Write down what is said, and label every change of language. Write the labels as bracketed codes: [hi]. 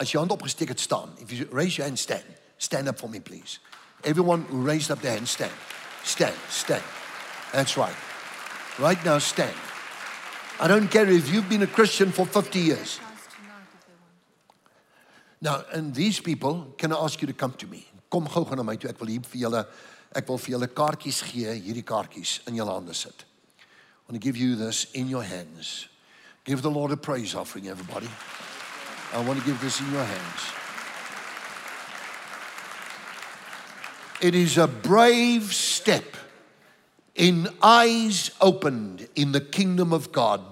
[af] As your hand opgesteek het, staan. [en] If you raise your hand, stand. Stand up for me, please. Everyone who raised up their hand, stand. Stand, stand. That's right. Right now, stand. I don't care if you've been a Christian for 50 years. Now, and these people, can I ask you to come to me? [af] Kom gou gou na my toe. Ek wil vir julle kaartjies gee, hierdie kaartjies in julle hande sit. [en] I want to give you this in your hands. Give the Lord a praise offering, everybody. I want to give this in your hands. It is a brave step in eyes opened in the kingdom of God.